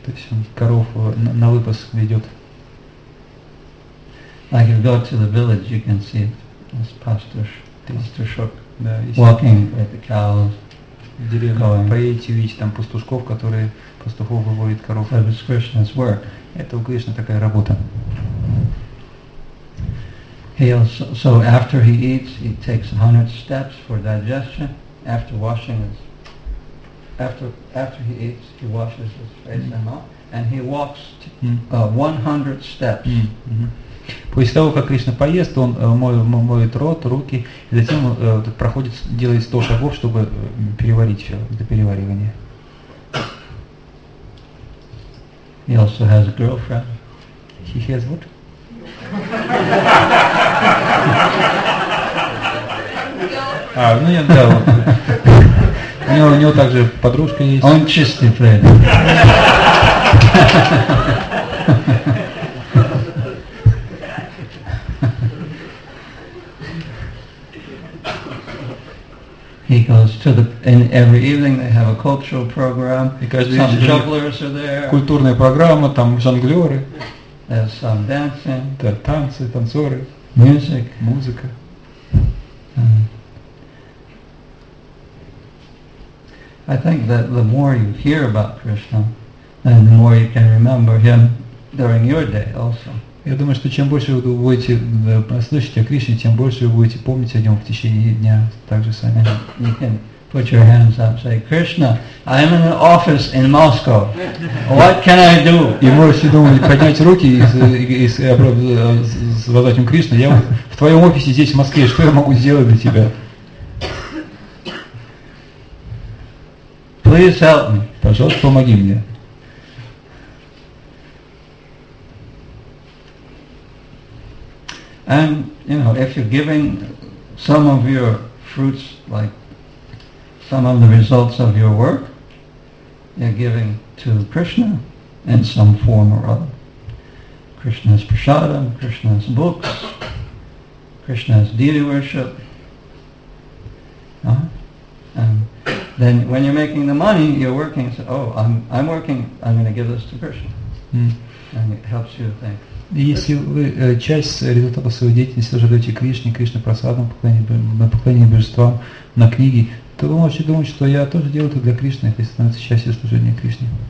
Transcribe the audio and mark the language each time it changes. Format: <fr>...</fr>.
<ru>То есть он коров на выпас ведет.</ru> <en>Like if you go to the village, you can see this pastushuk walking with the cows.</en> <ru>В деревне поедете увидеть там пастушков, которые пастухов выводят коров.</ru> <en>So it's Krishna's work.</en> <ru>Это у Кришны такая работа.</ru> <en>He also, so after he eats, he takes 100 steps for digestion. After washing his, after he eats, he washes his face and mouth, and he walks 100 steps.</en> <ru>После того, как Кришна поест, он моет рот, руки, и затем проходит, делает 100 шагов, чтобы переварить все до переваривания.</ru> <en>He also has a girlfriend. He has what?</en> <ru>А, ну я да, вот. У него также подружка есть. Он чистый, Фред.</ru> <en>He goes to the, and every evening they have a cultural program. Some jugglers are there.</en> <ru>Культурная программа, там жонглеры.</ru> <en>There's some dancing.</en> <ru>Да, танцы, танцоры.</ru> <en>Music.</en> <ru>Музыка.</ru> <en>I think that the more you hear about Krishna, then the more you can remember him during your day also.</en> <ru>Я думаю, что чем больше вы будете слышать о Кришне, тем больше вы будете помнить о нем в течение дня также сами.</ru> <en>You can put your hands up and say, Krishna, I am in an office in Moscow. What can I do?</en> <ru>И можете думать, поднять руки и сказать ему, Кришна, я в твоем офисе здесь, в Москве, что я могу сделать для тебя?</ru> <en>Please help me.</en> <ru>Пожалуйста, помоги мне.</ru> <en>And, you know, if you're giving some of your fruits, like some of the results of your work, you're giving to Krishna in some form or other. Krishna's prasadam, Krishna's books, Krishna's deity worship. And then when you're making the money, you're working, so, oh, I'm working, I'm going to give this to Krishna. And it helps you think.</en> <ru>Если вы часть результата своей деятельности тоже даете Кришне, Кришне просадам, поклонение божествам на книге, то вы можете думать, что я тоже делаю это для Кришны, если становится частью служения Кришне.</ru>